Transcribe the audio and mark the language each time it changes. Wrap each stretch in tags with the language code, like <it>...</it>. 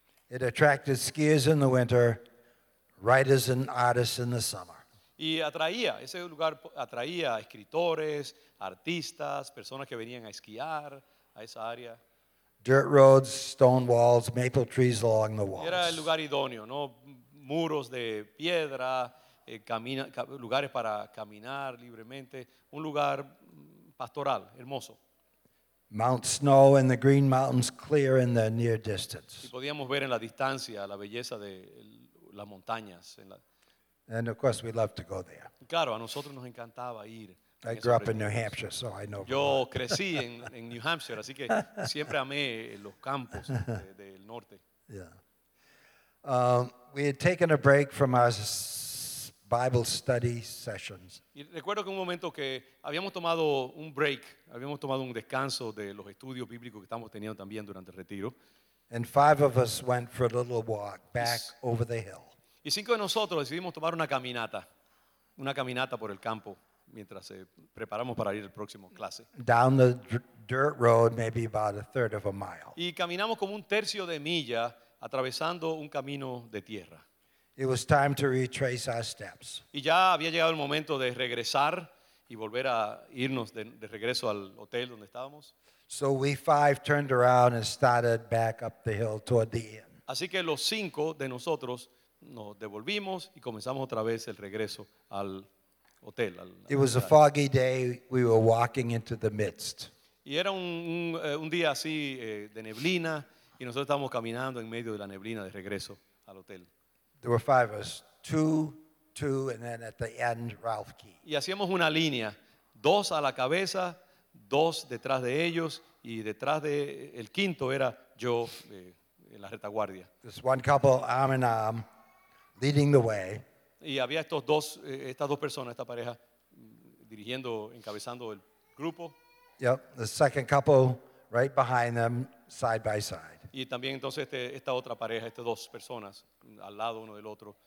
<en>It attracted skiers in the winter, writers and artists in the summer.</en> <es>Y atraía, ese lugar atraía a escritores, artistas, personas que venían a esquiar a esa área.</es> <en>Dirt roads, stone walls, maple trees along the walls.</en> <es>Era el lugar idóneo, ¿no? Muros de piedra, lugares para caminar libremente, un lugar pastoral, hermoso.</es> <en>Mount Snow and the Green Mountains clear in the near distance.</en> <es>Y podíamos ver en la distancia la belleza de las montañas en la.</es> <en>And of course, we'd love to go there.</en> <es>Claro, a nosotros nos encantaba ir.</es> <en>I grew up in New Hampshire, so I know.</en> <es>Yo crecí en New Hampshire, así que siempre amé los campos del norte.</es> <en>Yeah. We had taken a break from our Bible study sessions.</en> <es>Y recuerdo que un momento que habíamos tomado un break, habíamos tomado un descanso de los estudios bíblicos que estamos teniendo también durante el retiro.</es> <en>And five of us went for a little walk back over the hill.</en> <es>Y cinco de nosotros decidimos tomar una caminata por el campo mientras preparamos para ir al próximo clase.</es> <en>Down the dirt road, maybe about a third of a mile.</en> <es>Y caminamos como un tercio de milla atravesando un camino de tierra.</es> <en>It was time to retrace our steps.</en> <es>Y ya había llegado el momento de regresar y volver a irnos de regreso al hotel donde estábamos.</es> <en>So we five turned around and started back up the hill toward the inn.</en> <es>Así que los cinco de nosotros nos devolvimos y comenzamos otra vez el regreso al hotel.</es> <en>It was a foggy day. We were walking into the midst.</en> <es>Y era un día así de neblina y nosotros estábamos caminando en medio de la neblina de regreso al hotel.</es> <en>There were five of us, two, and then at the end, Ralph Key.</en> <es>Y hacíamos una línea, dos a la cabeza, dos detrás de ellos y detrás de el quinto era yo en la retaguardia.</es> <en>This one couple arm in arm. Leading the way.</en> <es>Y había estas dos personas, esta pareja, dirigiendo, encabezando el grupo.</es> <en>Yep, the second couple right behind them, side by side.</en> <es>Y también entonces esta otra pareja, estas dos personas, al lado uno del otro.</es>